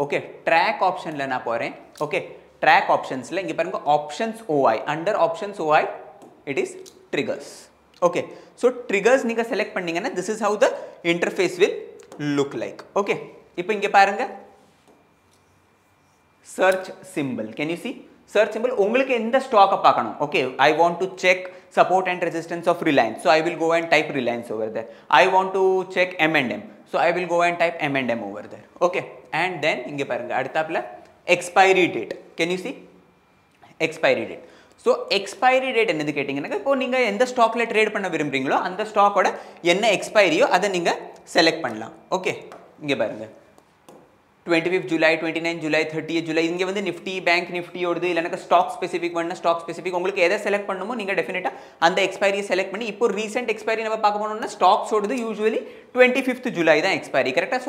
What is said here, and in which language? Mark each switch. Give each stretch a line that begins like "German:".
Tamil: Okay, track ஆப்ஷனில் நான் போகிறேன். ஓகே, ட்ராக் ஆப்ஷன்ஸில் இங்கே பாருங்கள் options ஓஐ,
English: Under options OI it is triggers.
Tamil: Okay, so triggers நீங்கள் செலக்ட் பண்ணிங்கன்னா
English: This is how the interface will look like.
Tamil: Okay, இப்போ இங்கே பாருங்கள் search symbol,
English: can you see search symbol,
Tamil: உங்களுக்கு எந்த stock பார்க்கணும்.
English: Okay, I want to check support and resistance of Reliance, so I will go and type Reliance over there. I want to check M&M, so I will go and type M&M over there. Okay, and then
Tamil: இங்க பாருங்க அடுத்தப்ல
English: expiry date, can you see expiry date.
Tamil: So expiry date என்னது கேட்டிங்கனா, இப்போ நீங்க எந்த stockல trade பண்ண விரும்பறீங்களோ அந்த stockோட என்ன எக்ஸ்பைரியோ அதை நீங்க செலக்ட் பண்ணலாம். ஓகே, இங்க பாருங்க 25 ஜூலை, 29 ஜூலை, 30 ஜூலை, இங்கே வந்து நிஃப்டி, பேங்க் நிஃப்டி ஓடுது, இல்லைனாக்க ஸ்டாக் ஸ்பெசிஃபிக் பண்ணால் ஸ்டாக் ஸ்பெசிஃபிக், உங்களுக்கு எதை செலக்ட் பண்ணணுமோ நீங்கள் டெஃபினெட்டாக அந்த எக்ஸ்பைரியை செலக்ட் பண்ணி, இப்போ ரீசெண்ட் எக்ஸ்பைரி நம்ம பார்க்க போனோம்னா ஸ்டாக்ஸ் ஓடுது யூஸ்வலி 25th ஜூலை தான் எக்ஸ்பைரி, கரெக்டாக.